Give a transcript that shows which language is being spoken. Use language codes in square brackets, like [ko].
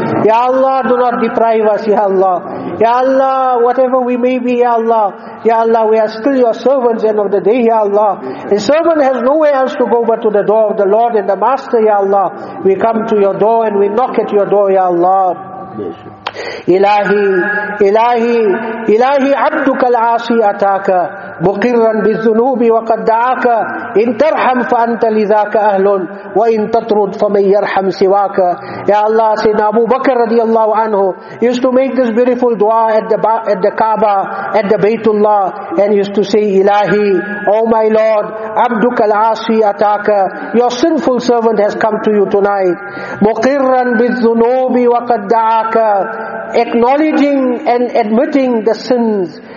[en] Ya Allah, do not deprive us, Ya Allah. Ya Allah, whatever we may be, Ya Allah. Ya Allah, we are still your servants end of the day, Ya Allah. A servant has nowhere else to go but to the door of the Lord and the Master, Ya Allah. We come to your door and we knock at your door, Ya Allah. [ar] Ilahi, Ilahi, Ilahi, abduka al-asi ataka مقرا بالذنوب وقد دعاك إن ترحم فأنت لذاك أهل وإن تطرد فمن يرحم سواك. [en] Ya Allah, said Abu Bakr radiallahu anhu, used to make this beautiful dua at the Kaaba, at the Baytullah, and used to say, Ilahi, O my Lord, [ar] عبدك العاصي أتاك, [en] your sinful servant has come to you tonight. [ar] مقرا بالذنوب وقد دعاك, [en] acknowledging and admitting the sins.